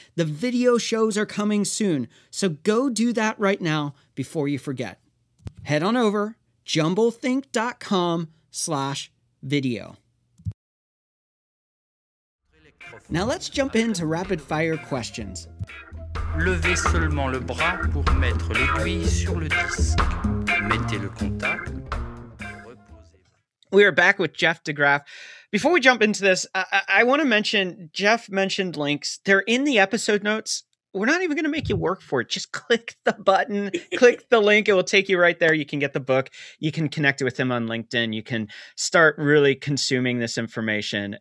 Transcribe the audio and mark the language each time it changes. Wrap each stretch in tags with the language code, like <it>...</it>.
<en>The video shows are coming soon, so go do that right now before you forget. Head on over, jumblethink.com/video. Now let's jump into rapid fire questions.</en> <fr>Levez seulement le bras pour mettre l'aiguille sur le disque. Mettez le contact.</fr> <en>We are back with Jeff DeGraff. Before we jump into this, I want to mention, Jeff mentioned links. They're in the episode notes. We're not even going to make you work for it. Just click the button, click the link. It will take you right there. You can get the book. You can connect with him on LinkedIn. You can start really consuming this information.</en>